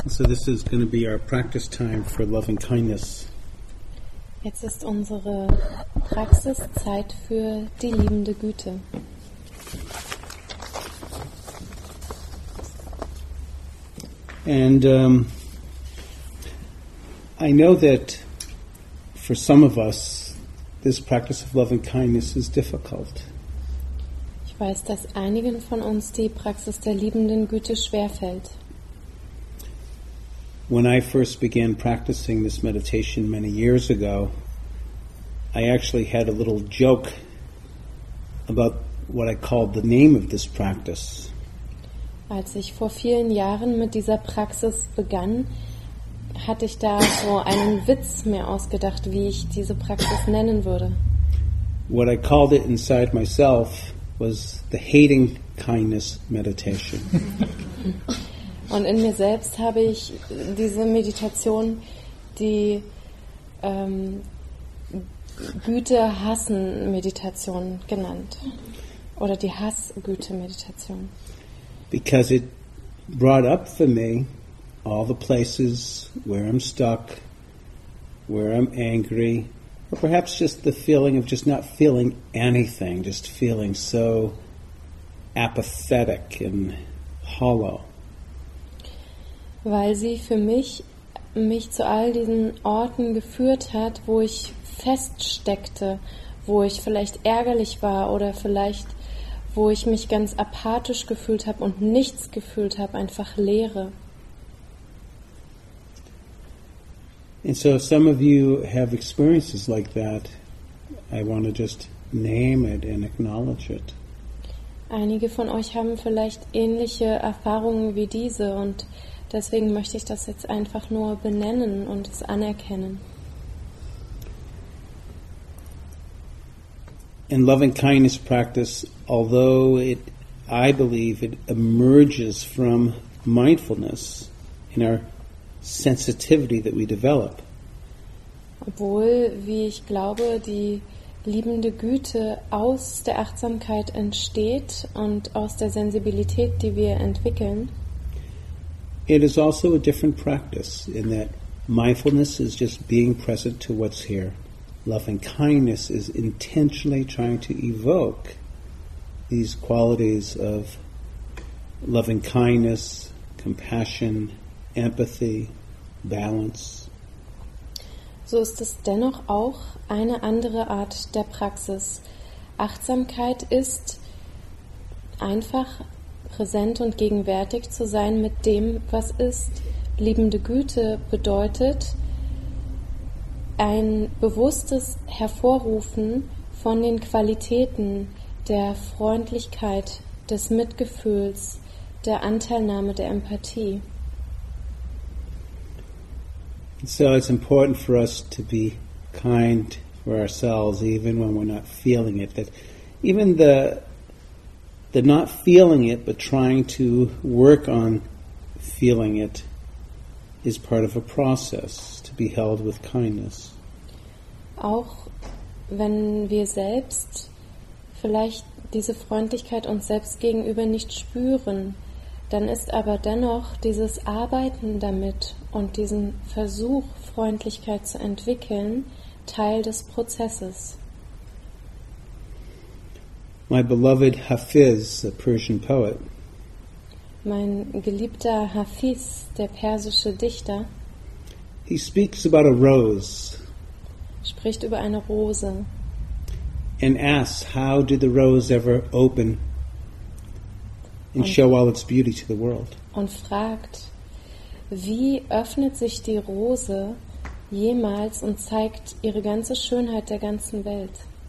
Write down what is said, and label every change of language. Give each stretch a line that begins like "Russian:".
English: So this is going to be our practice time for loving kindness.
German: Jetzt ist unsere Praxiszeit für die liebende Güte.
English: And I know that for some of us, this practice of loving kindness is difficult.
German: Ich weiß, dass einigen von uns die Praxis der liebenden Güte schwerfällt.
English: When I first began practicing this meditation many years ago, I actually had a little joke about what I called the name of this practice.
German: Als ich vor vielen Jahren mit dieser Praxis begann, hatte ich da so einen Witz mir ausgedacht, wie ich diese Praxis nennen würde.
English: What I called it inside myself was the hating kindness meditation.
German: Und in mir selbst habe ich diese Meditation die Güte hassen Meditation genannt oder die Hass Güte Meditation.
English: Because it brought up for me all the places where I'm stuck, where I'm angry, or perhaps just the feeling of just not feeling anything, just feeling so apathetic and hollow.
German: Weil sie für mich zu all diesen Orten geführt hat, wo ich feststeckte, wo ich vielleicht ärgerlich war oder vielleicht wo ich mich ganz apathisch gefühlt habe und nichts gefühlt habe, einfach Leere.
English: And so if some of you have experiences like that, I want to just name it and acknowledge it.
German: Einige von euch haben vielleicht ähnliche Erfahrungen wie diese und deswegen möchte ich das jetzt einfach nur benennen und es anerkennen.
English: In loving kindness practice, although it, I believe it emerges from mindfulness in our sensitivity that we develop.
German: Obwohl, wie ich glaube, die liebende Güte aus der Achtsamkeit entsteht und aus der Sensibilität, die wir entwickeln.
English: It is also a different practice in that mindfulness is just being present to what's here. Loving kindness is intentionally trying to evoke these qualities of loving kindness, compassion, empathy, balance.
German: So ist es dennoch auch eine andere Art der Praxis. Achtsamkeit ist einfach präsent und gegenwärtig zu sein mit dem, was ist. Liebende Güte bedeutet ein bewusstes Hervorrufen von den Qualitäten der Freundlichkeit, des Mitgefühls, der Anteilnahme, der Empathie.
English: So it's important for us to be kind for ourselves, even when we're not feeling it. That even the not feeling it, but trying to work on feeling it, is part of a process to be held with kindness.
German: Auch wenn wir selbst vielleicht diese Freundlichkeit uns selbst gegenüber nicht spüren, dann ist aber dennoch dieses Arbeiten damit und diesen Versuch, Freundlichkeit zu entwickeln, Teil des Prozesses.
English: My beloved Hafiz, the Persian poet.
German: Mein geliebter Hafiz, der persische Dichter.
English: He speaks about a rose.
German: Spricht über eine Rose.
English: And asks, how did the rose ever open and show all its beauty to the world?
German: Und fragt, wie öffnet sich die Rose jemals und zeigt ihre ganze Schönheit der ganzen Welt?